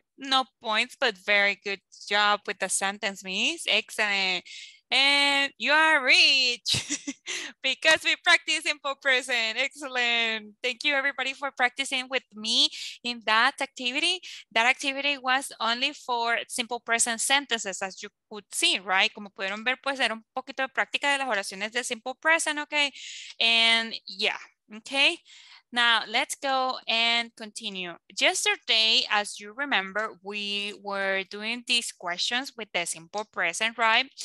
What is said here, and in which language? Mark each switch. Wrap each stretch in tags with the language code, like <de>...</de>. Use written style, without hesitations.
<en>No points, but very good job with the sentence, Miss. Excellent. And you are rich because we practice in full present. Excellent. Thank you, everybody, for practicing with me in that activity. That activity was only for simple present sentences, as you could see, right?</en> <es>Como pudieron ver, pues era un poquito de práctica de las oraciones de simple present, okay?</es> <en>And yeah, okay. Now, let's go and continue. Yesterday, as you remember, we were doing these questions with the simple present, right?</en>